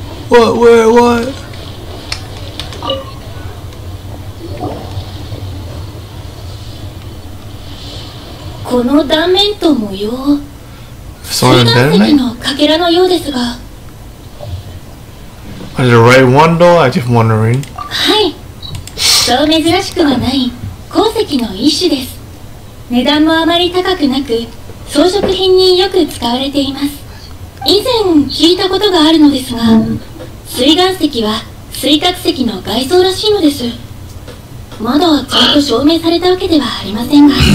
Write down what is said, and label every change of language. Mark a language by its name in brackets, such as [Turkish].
[English] What? Where? What? [Japanese] この断面と模様、水岩石のかけらのようですが。 [English] Is it the right one though? I'm just wondering. [Japanese] はい。そう珍しくはない。鉱石の一種です。値段もあまり高くなく、装飾品によく使われています。以前聞いたことがあるのですが、水岩石は水角石の外装らしいのです。まだちゃんと証明されたわけではありませんが。